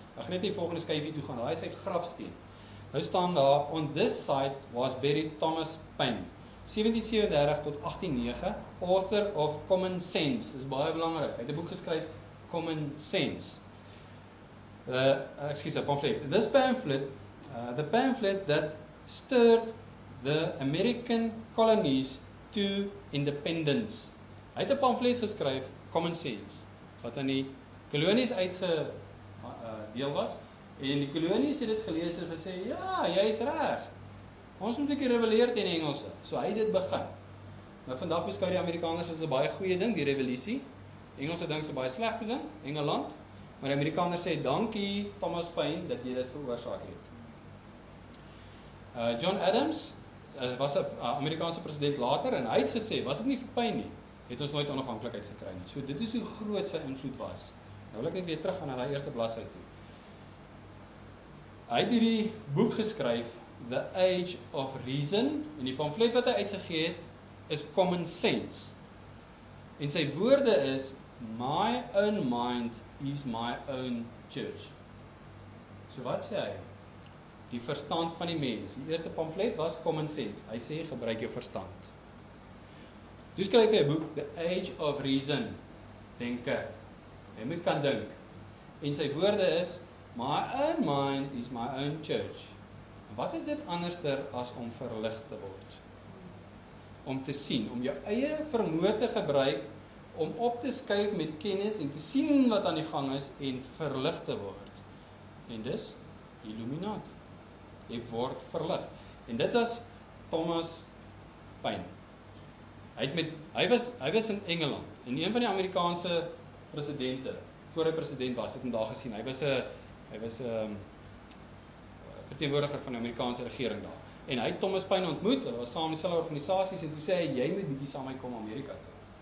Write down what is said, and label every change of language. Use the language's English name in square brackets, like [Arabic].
[Afrikaans] Ek net die volgende skyfie toe gaan, hy is sy grafsteen. Nou staan daar, [English] on this site was buried Thomas Paine, 1737 [Afrikaans] tot [English] 1809, author of Common Sense. [Afrikaans] Dit is baie belangrik. Hy het 'n boek geskryf, Common Sense. [English] Excuse me, pamphlet. This pamphlet, the pamphlet that stirred the American colonies to independence. [Afrikaans] Hy het 'n pamphlet geskryf, Common Sense, wat aan die kolonies uitgedeel was, en die kolonies het dit gelees en gesê, ja, jy is reg. Ons moet 'n bietjie rebelleer teen die Engelse. So hy het dit begin. Nou vandag beskou die Amerikaners as 'n baie goeie ding, die revolusie. Engelse dink se baie sleg ding, Engeland. Maar die Amerikaners sê, dankie Thomas Paine, dat jy dit veroorsaak het. John Adams was 'n Amerikaanse president later, en hy het gesê, was dit nie vir Paine nie, het ons nooit onafhanklikheid gekry nie. So dit is hoe groot sy invloed was. Nou wil ek net weer terug aan haar eerste bladsy toe. Hy het hierdie boek geskryf, The Age of Reason, en die pamflet wat hy uitgegee het, is Common Sense. En sy woorde is, [English] my own mind is my own church. [Afrikaans] So wat sê hy? Die verstand van die mens. Die eerste pamflet was Common Sense. Hy sê, gebruik jou verstand. Toe skryf hy 'n boek, The Age of Reason. Denke. Hy moet kan dink. En sy woorde is, [English] my own mind is my own church. [Afrikaans] Wat is dit anderster as om verlig te word? Om te sien, om jou eie vermoë te gebruik om op te skuif met kennis en te sien wat aan die gang is en verlig te word. En dis Illuminati. Jy word verlig. En dit was Thomas Paine. Hy was in Engeland en een van die Amerikaanse presidente, voor hy president was, het hom daar gesien. Hy was 'n verteenwoordiger van die Amerikaanse regering daar. En hy het Thomas Paine ontmoet, hulle was saam in dieselfde organisasies en toe sê hy, jy moet bietjie saam met my kom Amerika toe.